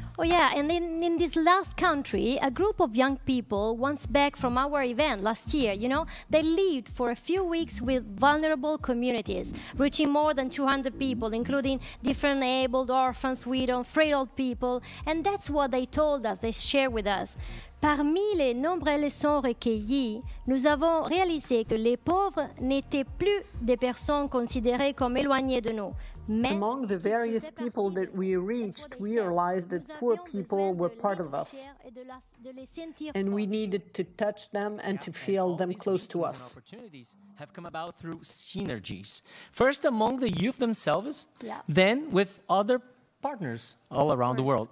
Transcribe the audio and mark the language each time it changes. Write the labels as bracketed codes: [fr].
[en] Oh yeah, and in this last country, a group of young people, once back from our event last year, you know, they lived for a few weeks with vulnerable communities, reaching more than 200 people, including different abled, orphans, widows, frail old people, and that's what they told us, they shared with us. [fr] Parmi les nombreux leçons recueillies, nous avons réalisé que les pauvres n'étaient plus des personnes considérées comme éloignées de nous. [en] Among the various people that we reached, we realized that poor people were part of us, and we needed to touch them and to feel them close to us. Opportunities have come about through synergies, first among the youth themselves, then with other partners all around the world.